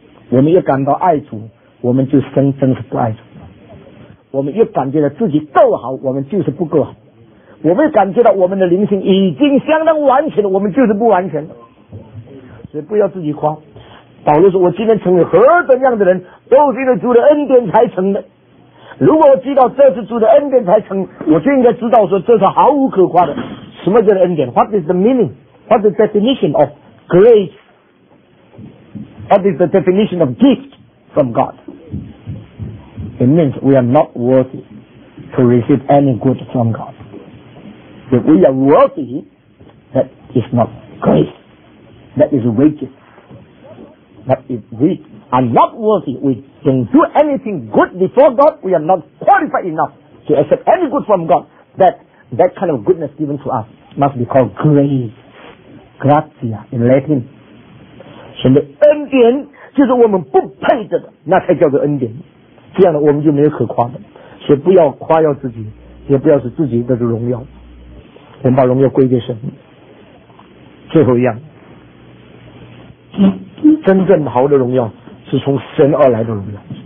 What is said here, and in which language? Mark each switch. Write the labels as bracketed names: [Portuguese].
[Chinese] 我们越感到爱主，我们就生真是不爱主；我们越感觉到自己够好，我们就是不够好；我们感觉到我们的灵性已经相当完全了，我们就是不完全。所以不要自己夸。保罗说，我今天成为何等样的人，都是因为主的恩典才成的。如果我知道这是主的恩典才成，我就应该知道说这是毫无可夸的。什么叫做恩典？ [English] What is the meaning? What is the definition of grace? What is the definition of gift from God? It means we are not worthy to receive any good from God. If we are worthy, that is not grace. That is wages. But if we are not worthy, we don't do anything good before God, we are not qualified enough to accept any good from God. That That kind of goodness given to us must be called grace. Gratia in Latin. [Chinese] 神的恩典就是我们不配得的，那才叫做恩典。这样的我们就没有可夸的，所以不要夸耀自己，也不要使自己得到荣耀，先把荣耀归给神。最后一样，真正好的荣耀是从神而来的荣耀。